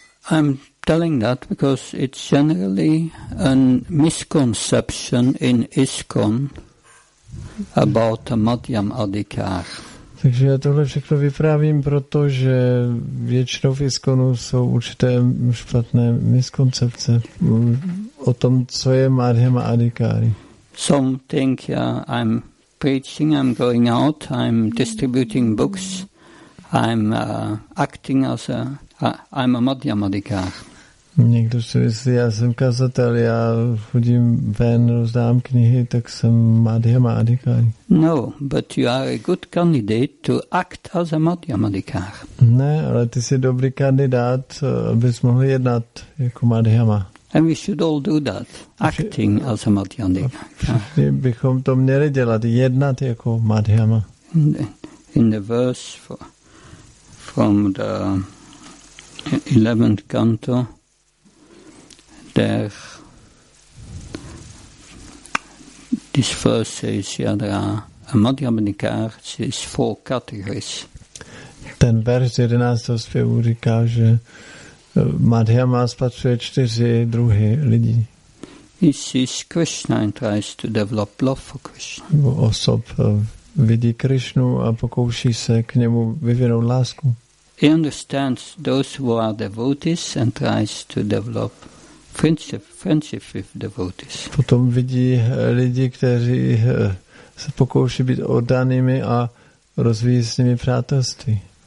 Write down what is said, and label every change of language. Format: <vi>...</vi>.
<en>I'm telling that because it's generally a misconception in ISKCON about the Madhyam Adhikar.</en> <cs>Takže já tohle všechno vyprávím, protože většinou v ISKCONu jsou určité špatné miskoncepce o tom, co je Madhyama Adhikari.</cs> <en>Some think I'm preaching, I'm going out, I'm distributing books, I'm acting as a Madhyama Adhikari.</en> <cs>Někdo si myslí, já jsem kazatel, já chodím ven, rozdám knihy, tak jsem madhyamadikár.</cs> <en>No, but you are a good candidate to act as a madhyamadikár.</en> <cs>Ne, ale ty jsi dobrý kandidát, abys mohl jednat jako madhyama.</cs> <en>And we should all do that, acting as a madhyamadikár.</en> <cs>Všichni bychom to měli dělat, jednat jako madhyama.</cs> <en>In the verse from the 11th canto, this verse says, yeah, there are madhyamadikár, it's four categories.</en> <cs>Ten verš 11. zpěvu říká, že madhyama spatřuje čtyři druhy lidí.</cs> <en>He sees Krishna and tries to develop love for Krishna.</en> <cs>Nebo osob vidí Krishnu a pokouší se k němu vyvinout lásku.</cs> <en>He understands those who are devotees and tries to develop friendship with devotees.</en> <cs>Potom vidí lidi, kteří se pokouší být oddanými a rozvíjí s nimi přátelství.</cs>